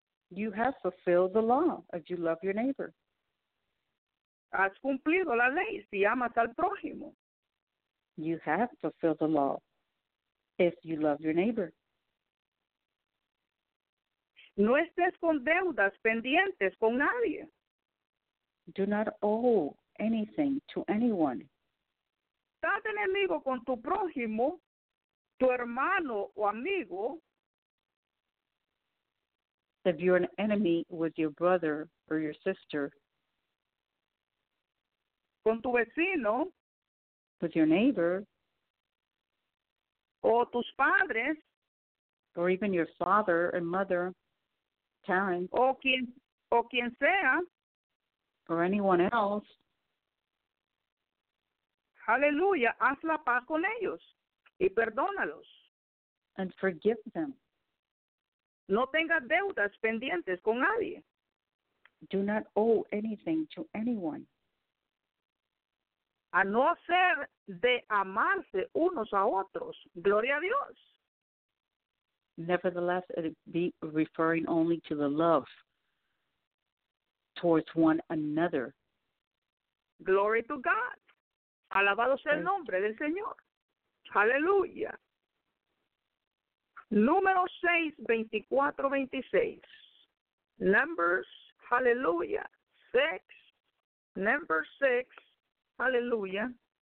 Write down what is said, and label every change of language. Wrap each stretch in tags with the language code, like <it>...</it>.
<en>You have fulfilled the law if you love your neighbor.</en> <es>Has cumplido la ley si amas al prójimo.</es> <en>You have fulfilled the law if you love your neighbor.</en> <es>No estés con deudas pendientes con nadie.</es> <en>Do not owe anything to anyone.</en> <es>Estás enemigo con tu prójimo, tu hermano o amigo.</es> <en>If you're an enemy with your brother or your sister,</en> <es>con tu vecino,</es> <en>with your neighbor,</en> <es>o tus padres,</es> <en>or even your father and mother, parents,</en> <es>o quien sea,</es> <en>or anyone else,</en> <es>aleluya, haz la paz con ellos y perdónalos.</es> <en>And forgive them.</en> <es>No tengas deudas pendientes con nadie.</es> <en>Do not owe anything to anyone.</en> <es>A no ser de amarse unos a otros. Gloria a Dios.</es> <en>Nevertheless, it be referring only to the love towards one another. Glory to God.</en> <es>Alabado sea el nombre del Señor. Aleluya. Número 6, 24, 26.</es> <en>Numbers, hallelujah. 6, number 6, hallelujah.</en>